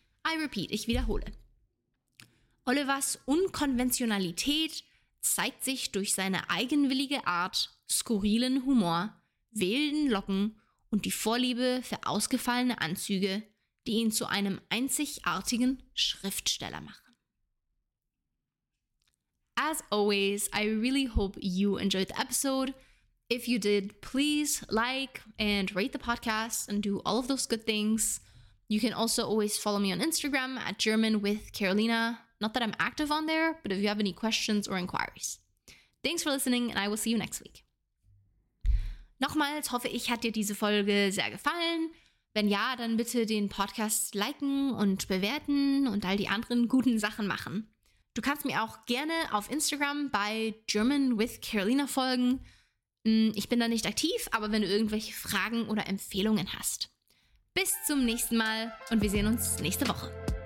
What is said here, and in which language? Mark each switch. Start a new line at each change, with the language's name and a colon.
English: I repeat,
German: ich wiederhole. Olivers Unkonventionalität zeigt sich durch seine eigenwillige Art, skurrilen Humor, wilden Locken und die Vorliebe für ausgefallene Anzüge, die ihn zu einem einzigartigen Schriftsteller machen.
English: As always, I really hope you enjoyed the episode. If you did, please like and rate the podcast and do all of those good things. You can also always follow me on Instagram at @GermanWithCarolina. Not that I'm active on there, but if you have any questions or inquiries. Thanks for listening and I will see you next week.
German: Nochmals hoffe ich, hat dir diese Folge sehr gefallen. Wenn ja, dann bitte den Podcast liken und bewerten und all die anderen guten Sachen machen. Du kannst mir auch gerne auf Instagram bei GermanWithCarolina folgen. Ich bin da nicht aktiv, aber wenn du irgendwelche Fragen oder Empfehlungen hast. Bis zum nächsten Mal und wir sehen uns nächste Woche.